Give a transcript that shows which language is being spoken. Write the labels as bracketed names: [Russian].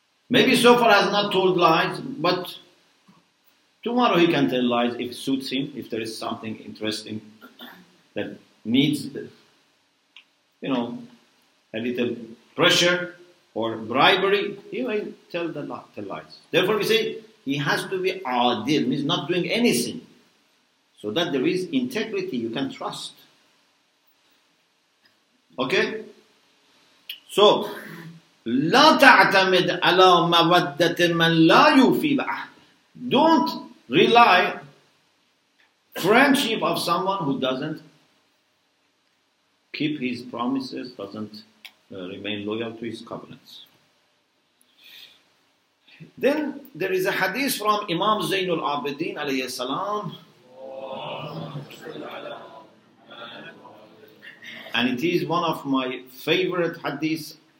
[English] Maybe so far has not told lies, but tomorrow he can tell lies if it suits him, if there is something interesting that needs, you know, a little pressure or bribery, he may tell lies. Therefore we say he has to be adil, means not doing anything, so that there is integrity, you can trust. Okay? So, [Arabic] لا تعتمد على مودة من لا يوفي بعه. [English] Don't rely friendship of someone who doesn't keep his promises, doesn't remain loyal to his covenants. Then there is a hadith from Imam Zainul Abidin alayhi salam, and it is one of my favorite hadiths.